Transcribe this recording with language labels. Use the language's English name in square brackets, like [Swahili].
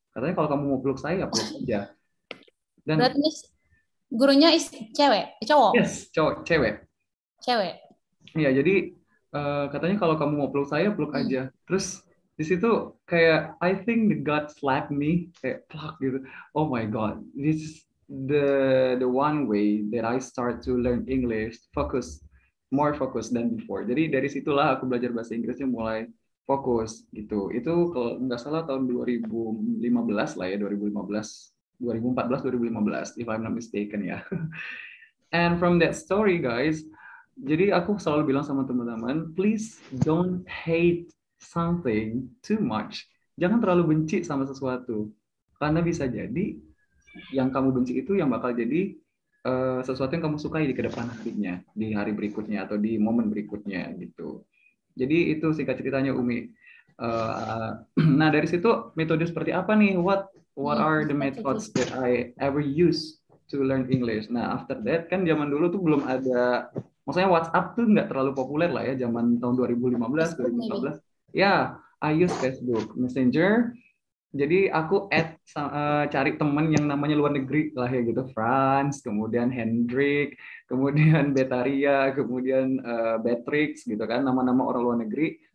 [Indonesian] Katanya kalau kamu mau peluk saya, ya peluk aja. Dan berarti gurunya is cewek, cowok? Yes, cowok, cewek. Cewek. Iya, jadi katanya kalau kamu mau peluk saya, peluk aja. Terus di situ kayak [English] I think the God slapped me, [Indonesian] kayak plak gitu. [English] Oh my God, this is the one way that I start to learn English, focus, more focus than before. [Indonesian] Jadi dari situlah aku belajar bahasa Inggrisnya mulai fokus gitu. Itu kalau nggak salah tahun 2015 lah ya, 2015. [English] 2014-2015, if I'm not mistaken ya. And from that story guys, [Indonesian] jadi aku selalu bilang sama teman-teman, [English] please don't hate something too much. [Indonesian] Jangan terlalu benci sama sesuatu. Karena bisa jadi, yang kamu benci itu yang bakal jadi sesuatu yang kamu sukai di kedepan harinya, di hari berikutnya, atau di momen berikutnya gitu. Jadi itu singkat ceritanya Umi. Nah dari situ, metode seperti apa nih? [English] What are the methods that I ever use to learn English? [Indonesian] Nah, [English] after that, [Indonesian] kan zaman dulu tuh belum ada, maksudnya WhatsApp tuh nggak terlalu populer lah ya, zaman tahun 2015, 2014. Ya, yeah, [English] I use Facebook Messenger. [Indonesian] Jadi aku cari teman yang namanya luar negeri lah ya gitu, Franz, kemudian Hendrik, kemudian Betaria, kemudian Beatrix gitu kan, nama-nama orang luar negeri.